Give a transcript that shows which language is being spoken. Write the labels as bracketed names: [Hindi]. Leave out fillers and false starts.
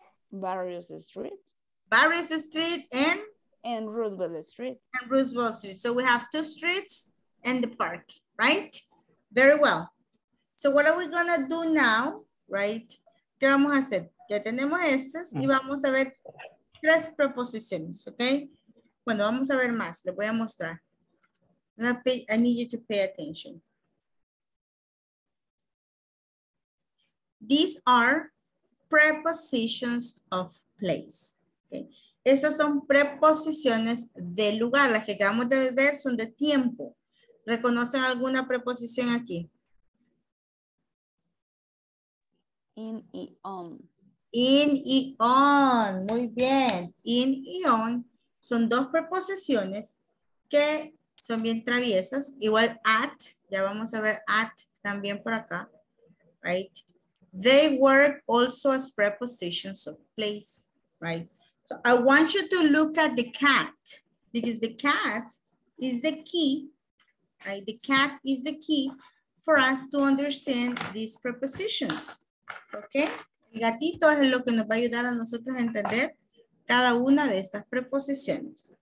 [English] Barrios Street. Barrios Street and Roosevelt Street. And Roosevelt Street. So we have two streets and the park, right? Very well. So what are we going to do now, right? [Spanish] ¿Qué vamos a hacer? Ya tenemos estas y vamos a ver tres preposiciones, okay? Bueno, vamos a ver más. Les voy a mostrar. [English] I need you to pay attention. These are prepositions of place. Okay. [Spanish] Esas son preposiciones de lugar. Las que acabamos de ver son de tiempo. ¿Reconocen alguna preposición aquí? In y on. In y on. Muy bien. In y on son dos preposiciones que son bien traviesas. Igual at, ya vamos a ver at también por acá. [English] Right? They work also as prepositions of place. Right? So I want you to look at the cat, because the cat is the key, right? The cat is the key for us to understand these prepositions. Okay? [Spanish] El gatito es lo que nos va a ayudar a nosotros a entender cada una de estas preposiciones.